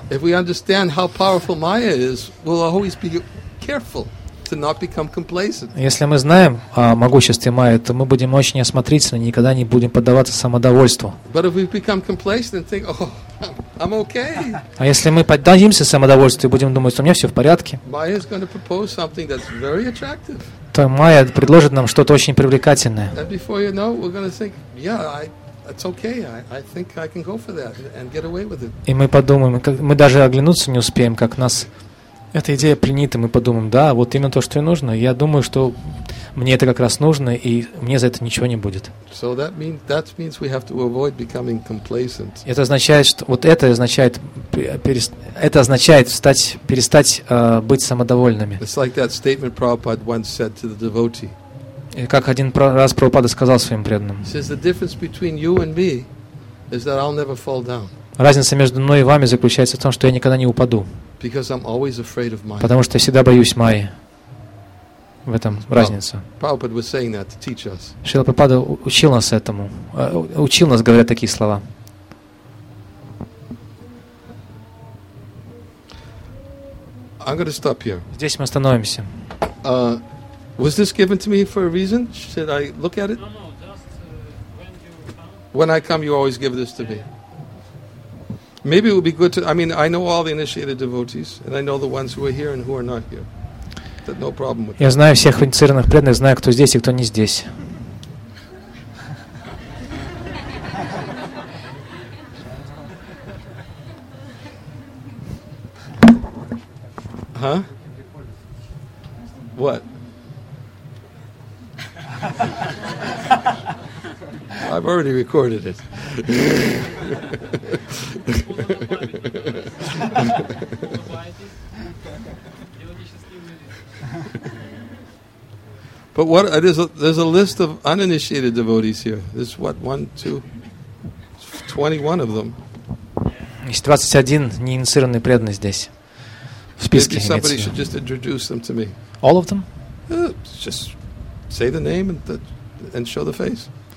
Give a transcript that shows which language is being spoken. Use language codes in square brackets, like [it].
[en] If we understand how powerful Maya is, we'll always be careful to not become complacent. [ru] Если мы знаем о могуществе Майи, то мы будем очень осмотрительны, никогда не будем поддаваться самодовольству. [en] But if we become complacent and think, oh, I'm okay. [ru] А если мы поддадимся самодовольству и будем думать, что у меня все в порядке, [en] Maya is going to propose something that's very attractive. [ru] То Майя предложит нам что-то очень привлекательное. [en] And before you know, we're going to think, yeah, it's okay, I think I can go for that and get away with it. [ru] И мы подумаем, мы даже оглянуться не успеем, как нас эта идея пленит, и мы подумаем, да, вот именно то, что и нужно. Я думаю, что мне это как раз нужно, и мне за это ничего не будет. [en] So that means we have to avoid becoming complacent. [ru] Это означает, что вот это означает перестать быть самодовольными. [en] It's like that statement Prabhupada once said to the devotee. [ru] И как один раз Прабхупада сказал своим преданным. [en] He says the difference between you and me is that I'll never fall down. [ru] Разница между мной и вами заключается в том, что я никогда не упаду. Because I'm always afraid of Maya. Потому что я всегда боюсь Майи. В этом разница. [en] Prabhupada was saying that to teach us. [ru] Шрила Прабхупада учил нас этому. Учил нас, говоря такие слова. [en] I'm going to stop here. [ru] Здесь мы остановимся. [en] Was this given to me for a reason? Should I look at it? No, just when you come. When I come, you always give this to me. Maybe it would be good to... I mean, I know all the initiated devotees, and I know the ones who are here and who are not here. That no problem with that. [ru] Я знаю всех инициированных преданных, знаю, кто здесь и кто не здесь. [en] Huh? What? I've already recorded it. But what there's a list of uninitiated devotees here. There's what 21 of them. [ru] Есть 21 неинициированный преданный здесь. В списке. [en] Maybe somebody should just introduce them to me. All of them? Just say the name and show the face.